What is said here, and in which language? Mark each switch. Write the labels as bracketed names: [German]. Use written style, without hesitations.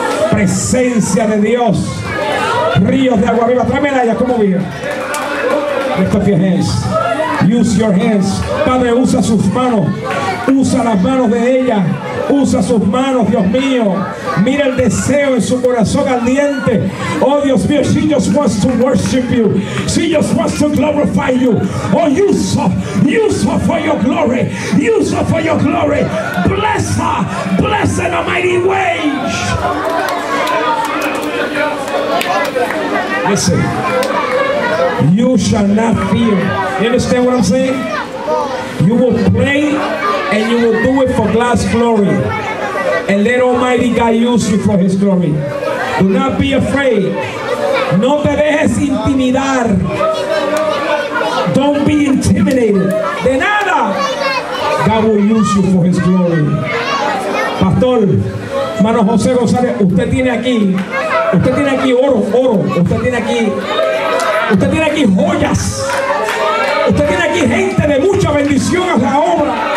[Spanish] Presencia de Dios. Ríos de agua viva. Tráeme la ya, ¿cómo vive? [English] Lift up your hands. [Spanish] Use your hands. Padre, usa sus manos. Usa las manos de ella. Usa sus manos, Dios mío. Mira el deseo en su corazón ardiente. Oh, Dios mío, [English] she just wants to worship you. She just wants to glorify you. Oh, use her for your glory. Use her for your glory. Bless her. Bless her in a mighty way. Listen. You shall not fear. You understand what I'm saying? You will pray. And you will do it for God's glory. And let Almighty God use you for His glory. Do not be afraid. [Spanish] No te dejes intimidar. [English] Don't be intimidated. [Spanish] De nada. [English] God will use you for His glory. [Spanish] Pastor, hermano José González, usted tiene aquí oro, oro. Usted tiene aquí joyas. Usted tiene aquí gente de mucha bendición a la obra.